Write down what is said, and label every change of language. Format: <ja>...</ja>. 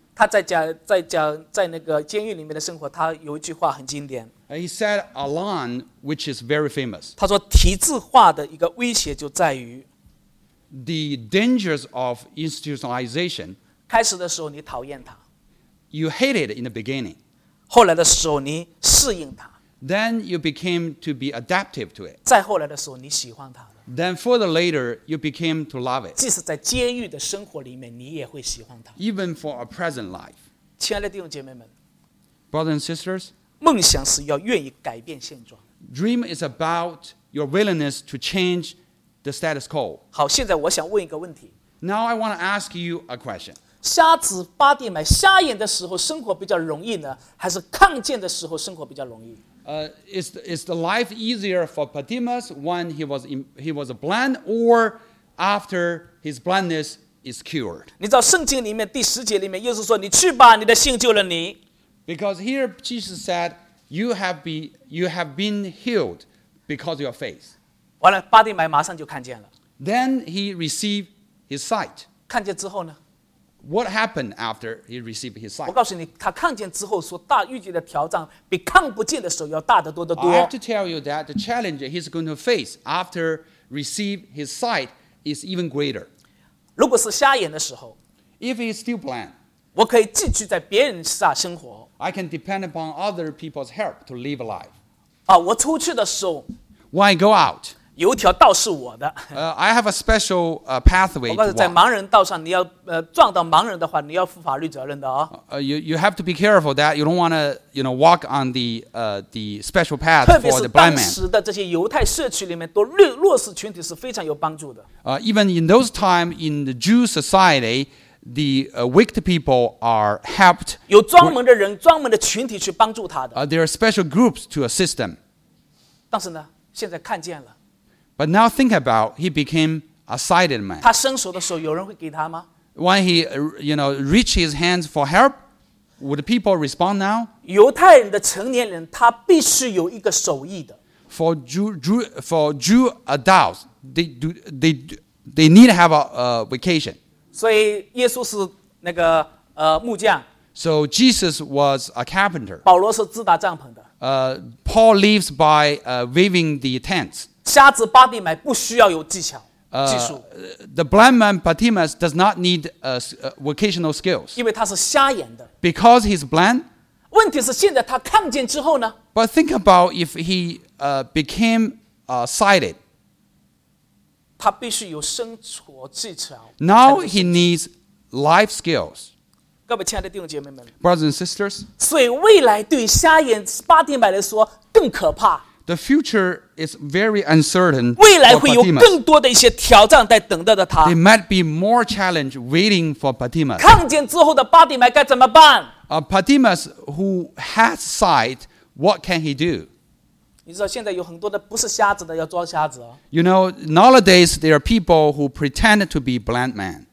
<zh>他在那个监狱里面的生活，他有一句话很经典。</zh> <en>He said a line which is very famous.</en> <zh>他说体制化的一个威胁就在于</zh> <en>the dangers of institutionalization.</en> <zh>开始的时候你讨厌他</zh> <en>you hate it in the beginning.</en> <zh>后来的时候你适应他。</zh> <en>Then you became to be adaptive to it.</en> <zh>再后来的时候，你喜欢它了。</zh> <en>Then further later, you became to love it.</en> <zh>即使在监狱的生活里面，你也会喜欢它。</zh> <en>Even for a present life.</en> <zh>亲爱的弟兄姐妹们</zh> <en>，Brothers and sisters,</en> <zh>梦想是要愿意改变现状。</zh> <en>Dream is about your willingness to change the status quo.</en> <zh>好，现在我想问一个问题。</zh> <en>Now I want to ask you a question.</en> <zh>瞎子巴蒂买，瞎眼的时候生活比较容易呢，还是看见的时候生活比较容易？</zh> <en>Is the life easier for Bartimaeus when he was blind or after his blindness is cured?</en> <zh>你知道圣经里面第十节里面，耶稣说：“你去吧，你的信救了你。”</zh> <en>Because here Jesus said, "You have been healed because of your faith."</en> <zh>完了，巴蒂买马上就看见了。</zh> <en>Then he received his sight.</en> <zh>看见之后呢？</zh> <en>What happened after he received his sight?</en> <zh>我告诉你，他看见之后所大遇见的挑战比看不见的时候要大得多得多。</zh> <en>I have to tell you that the challenge he's going to face after receive his sight is even greater.</en> <zh>如果是瞎眼的时候</zh> <en>，If he's still blind,</en> <zh>我可以继续在别人下生活。</zh> <en>I can depend upon other people's help to live a life.</en> <zh>啊，我出去的时候</zh> <en>，When I go out.</en> <zh>有一条道是我的。</zh> <en>I have a special pathway.</en> <zh>我告诉你，在盲人道上，你要撞到盲人的话，你要负法律责任的哦。</zh> <en>You have to be careful that you don't want to walk on the special path for the blind man.</en> <zh>特别是当时的这些犹太社区里面，多弱势群体是非常有帮助的。</zh> <en>Even in those time in the Jew society, the weak people are helped.</en> <zh>有专门的人、专门的群体去帮助他的。</zh> <en>There are special groups to assist them.</en> <zh>但是呢，现在看见了。</zh> <en>But now think about he became a sighted man.</en> <zh>他伸手的时候，有人会给他吗</zh> <en>？When he, reached his hands for help, would people respond now?</en> <zh>犹太人的成年人，他必须有一个手艺的。</zh> <en>For Jew adults, they need to have a vocation.</en> <zh>所以耶稣是那个木匠。</zh> <en>So Jesus was a carpenter.</en> <zh>保罗是支搭帐篷的。</zh> <en>Paul lives by weaving the tents.</en> <zh>瞎子巴蒂买不需要有技巧。</zh> <en>The blind man Bartimaeus does not need vocational skills.</en> <zh>因为他是瞎眼的。</zh> <en>Because he's blind.</en> <zh>问题是现在他看见之后呢？</zh> <en>But think about if he became sighted.</en> <zh>他必须有生活技巧。</zh> <en>Now he needs life skills.</en> <zh>各位亲爱的弟兄姐妹们</zh> <en>，brothers and sisters，</en> <zh>所以未来对瞎眼巴提买来说更可怕。</zh> <en>The future is very uncertain.</en> <zh>未来会有更多的一些挑战在等待着他。</zh> <en>There might be more challenge waiting for Bartimaeus.</en> <zh>看见之后的巴提买该怎么办</zh> <en>？Bartimaeus who has sight, what can he do？</en> <zh>你知道现在有很多的不是瞎子的要装瞎子。</zh> <en>You know, nowadays there are people who pretend to be blind man.</en>